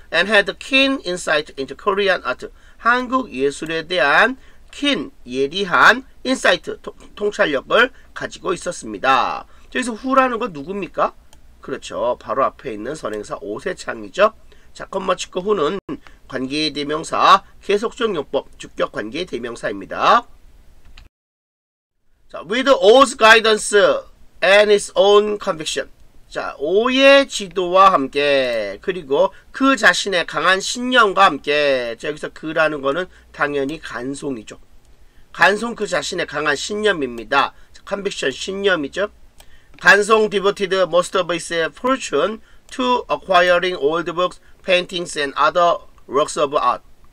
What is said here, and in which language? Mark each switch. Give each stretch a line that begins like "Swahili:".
English: And had keen insight into Korean art,
Korean: 한국 예술에 대한
English: keen, 예리한 insight,
Korean: 통찰력을 가지고 있었습니다. 여기서 후라는 건 누굽니까? 그렇죠. 바로 앞에 있는 선행사 오세창이죠. 자, 콤마 찍고 후는 관계대명사, 계속적 용법, 주격 관계대명사입니다.
English: 자, with O's guidance and his own conviction.
Korean: 자, O의 지도와 함께, 그리고 그 자신의 강한 신념과 함께. 자, 여기서 그라는 거는 당연히 간송이죠. 간송 그 자신의 강한 신념입니다.
English: 자, conviction, 신념이죠. 간송 devoted most of his fortune to acquiring old books, paintings, and other works of art.